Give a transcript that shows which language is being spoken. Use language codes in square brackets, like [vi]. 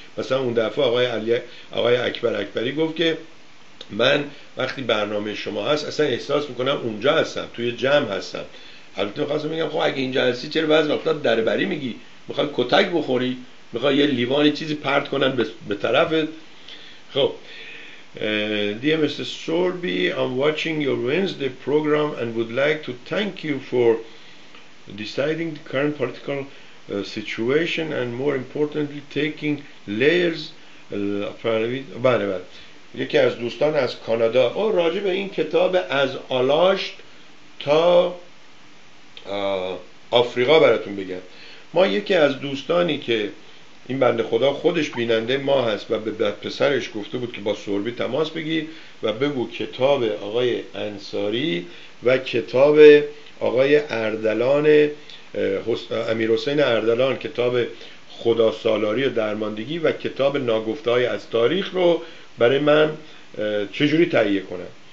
[fa] مثلا اون دفعه آقای اکبر اکبری گفت که من وقتی برنامه شما هست اصلا احساس میکنم اونجا هستم، توی جمع هستم. البته میخواستم میگم خب اگه اینجا هستی چرا بعض وقتا دربری میگی، میخوای کتک بخوری، میخوای یه لیوانی چیزی پرت کنن به طرفت. [en] خب Dear Mr. Sorby, I'm watching your Wednesday program and would like to thank you for deciding the current political situation and more importantly taking layers [fa] بله بله. یکی از دوستان از کانادا او راجع به این کتاب از آلاشت تا آفریقا براتون بگم. ما یکی از دوستانی که این بنده خدا خودش بیننده ما هست و به پسرش گفته بود که با سوربی تماس بگیر و بگو کتاب آقای انصاری و کتاب آقای اردلان، امیر حسین اردلان، کتاب خدا سالاری و درماندگی و کتاب ناگفته های از تاریخ رو برای من چجوری تهیه کنم.